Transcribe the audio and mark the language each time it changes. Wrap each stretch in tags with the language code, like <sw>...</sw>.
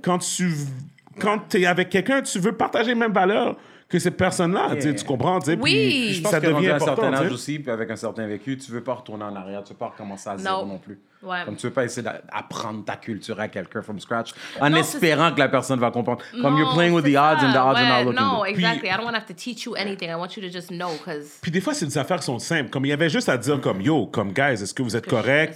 <fr>Quand t'es avec quelqu'un, tu veux partager les mêmes valeurs que cette personne-là. Tu comprends? Oui, je pense que rendu à un certain âge aussi, puis avec un certain vécu, tu veux pas retourner en arrière, tu veux pas recommencer à zéro non plus. Ouais. Comme tu veux pas essayer d'apprendre ta culture à quelqu'un</fr> <en>from scratch</en> <fr>espérant que la personne va comprendre. Non, comme</fr> <en>you're playing with the odds and the odds are not looking good. No, exactly. I don't want to have to teach you anything. I want you to just know because.</en> <fr>Puis des fois, c'est des affaires qui sont simples. Comme il y avait juste à dire, comme yo, comme guys, est-ce que vous êtes correct?</fr>